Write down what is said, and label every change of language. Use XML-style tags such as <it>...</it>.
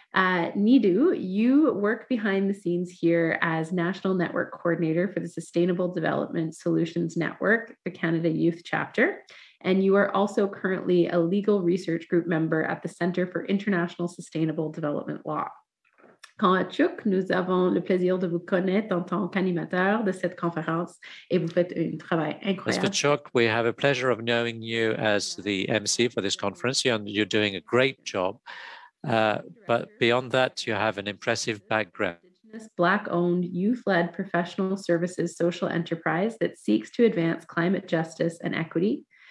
<en>Nidhu, you work behind the scenes here as National Network Coordinator for the Sustainable Development Solutions Network, the Canada Youth Chapter. And you are also currently a legal research group member at the Center for International Sustainable Development Law.</en> <fr>Quant à Chúk, nous avons le plaisir de vous connaître en tant qu'animateur de cette conférence et vous faites un travail incroyable.</fr> <en>As for Chúk, we have a pleasure of knowing you as the MC for this conference. You're doing a great job. But beyond that, you have an impressive background. Indigenous, Black-owned, youth-led professional services social enterprise that seeks to advance climate justice and equity.</en>